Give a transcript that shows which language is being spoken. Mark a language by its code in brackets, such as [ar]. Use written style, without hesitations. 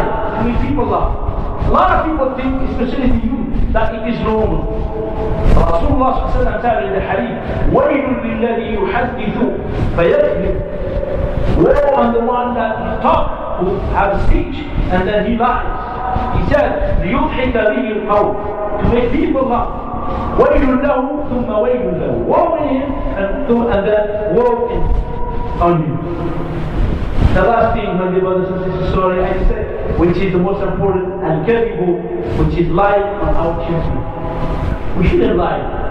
[en] I mean, people laugh. A lot of people think, especially the youth, that it is normal. Rasulullah said in the hadith, [ar] وَيْلٌ لِلَّذِي يُحَدِّثُ فَيَكْذِبُ. [en] Woe on the one that will talk, who have speech, and then he lies. He said, [ar] لِيُضْحِكَ بِهِ الْقَوْمِ. [en] To make people laugh. [ar] وَيْلٌ لَهُ ثُمَّ وَيْلٌ لَهُ. [en] Woe on him, and then woe on you. The last thing, my dear brothers and sisters, sorry, I said, which is the most important, and Al-Kadhibu, which is lying on our children. We shouldn't lie.